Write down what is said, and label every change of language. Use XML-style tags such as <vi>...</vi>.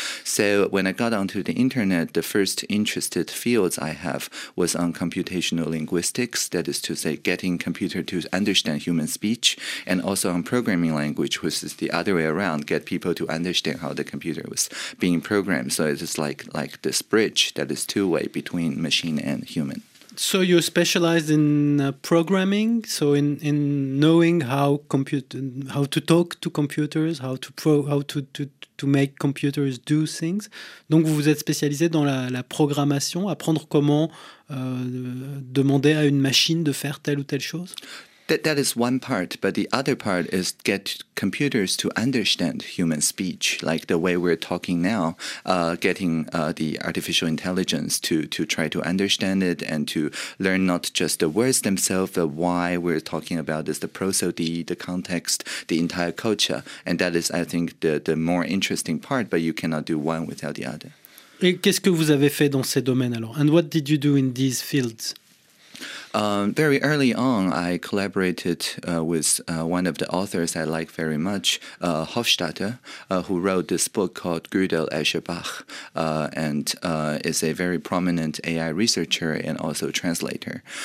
<en>So when I got onto the internet, the first interested fields I have was on computational linguistics, that is to say getting computer to understand human speech, and also on programming language, which is the other way around, get people to understand how the computer was being programmed. So it is like this bridge that is two-way between machine and human. So you specialized in programming, so in knowing how to talk to computers, how to make computers do things.</en> <fr>Donc vous vous êtes spécialisé dans la programmation, apprendre comment demander à une machine de faire telle ou telle chose.</fr> <en>That is one part, but the other part is get computers to understand human speech, like the way we're talking now, getting the artificial intelligence to try to understand it and to learn not just the words themselves, but why we're talking about this, the prosody, the context, the entire culture. And that is, I think, the more interesting part, but you cannot do one without the other.</en> <fr>Et qu'est-ce que vous avez fait dans ces domaines alors?</fr> <en>And what did you do in these fields? Very early on, I collaborated with one of the authors I like very much, Hofstadter, who wrote this book called Gödel, Escher, Bach, and is a very prominent AI researcher and also translator.</en>